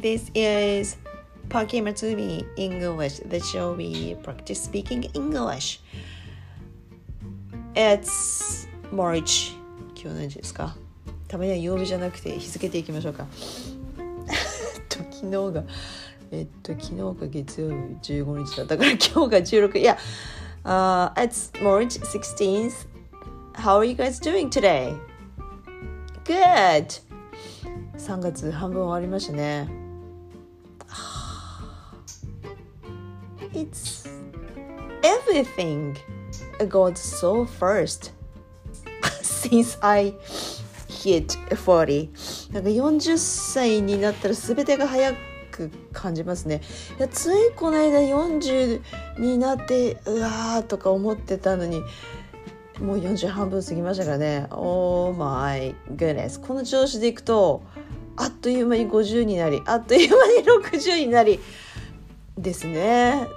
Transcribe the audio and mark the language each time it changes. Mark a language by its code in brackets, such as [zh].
[en] This is Parky Matsumi English, the show we practice speaking English. It's March. [ja] 今日何日ですか? たまには曜日じゃなくて日付でいきましょうか。昨日が月曜日15日だったから今日が16日。 [en] It's March 16th. How are you guys doing today? Good! [ja] 3月半分終わりましたね。 [en] It's everything goes so fast since I hit 40. [ja] なんか40歳になったら全てが早く感じますね。いや、ついこの間40になってうわーとか思ってたのに、もう40半分過ぎましたからね。 [en] Oh my goodness. [ja] この調子でいくとあっという間に50になり、あっという間に60になりですね。